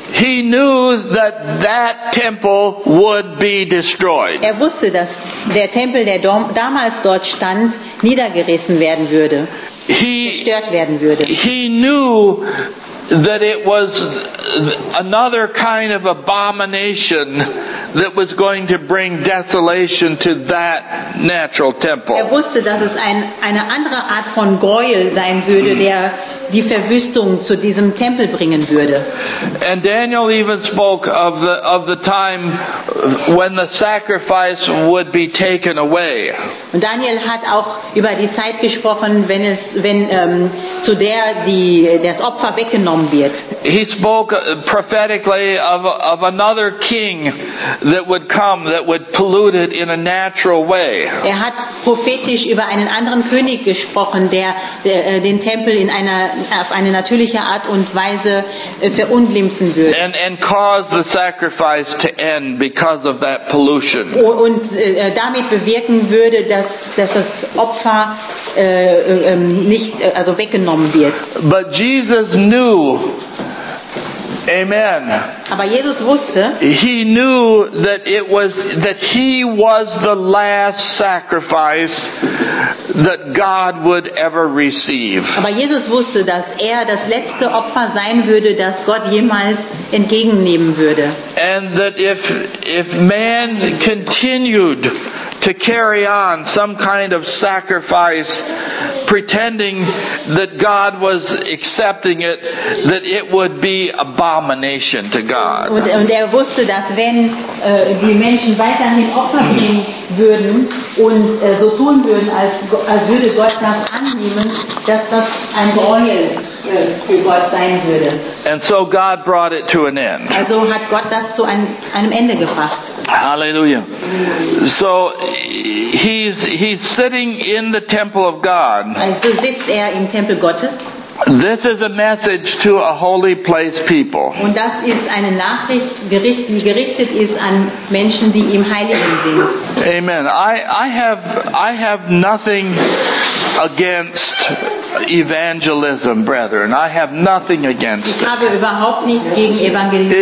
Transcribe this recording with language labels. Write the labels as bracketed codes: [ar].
[en] He knew that that temple would be destroyed. [de] Er wusste, dass der Tempel, der damals dort stand, niedergerissen werden würde. Zerstört werden würde. [en] He knew that it was another kind of abomination that was going to bring desolation to that natural temple. [de] Er wusste, dass es eine andere Art von Gräuel sein würde, der die Verwüstung zu diesem Tempel bringen würde. [en] And Daniel even spoke of the time when the sacrifice would be taken away. [de] Und Daniel hat auch über die Zeit gesprochen, wenn das Opfer weggenommen wird. [en] He spoke prophetically of another king that would come that would pollute it in a natural way. [de] Er hat prophetisch über einen anderen König gesprochen, der den Tempel in einer auf eine natürliche Art und Weise verunglimpfen würde. [en] And cause the sacrifice to end because of that pollution. [de] Und damit bewirken würde, dass das Opfer nicht also weggenommen wird. [en] But Jesus knew. Amen. [de] Aber Jesus wusste, [en] he knew that he was the last sacrifice that God would ever receive. [de] Aber Jesus wusste, dass er das letzte Opfer sein würde, das Gott jemals entgegennehmen würde. [en] And that if man continued to carry on some kind of sacrifice, pretending that God was accepting it, that it would be abomination to God. [de] Und er wusste, dass wenn die Menschen weiterhin Opfer bringen würden und so tun würden, als würde Gott das annehmen, dass das ein Gräuel für Gott sein würde. [en] And so God brought it to an end. [de] Also hat Gott das zu einem Ende gebracht. Halleluja. [en] So he's sitting in the temple of God. [de] Also sitzt er im Tempel Gottes. [en] This is a message to a holy place people. [de] Und das ist eine Nachricht, die gerichtet ist an Menschen, die im Heiligen sind. [en] Amen. I have nothing against evangelism, brethren. I have nothing against it. [de] Ich habe überhaupt nichts gegen Evangelismus.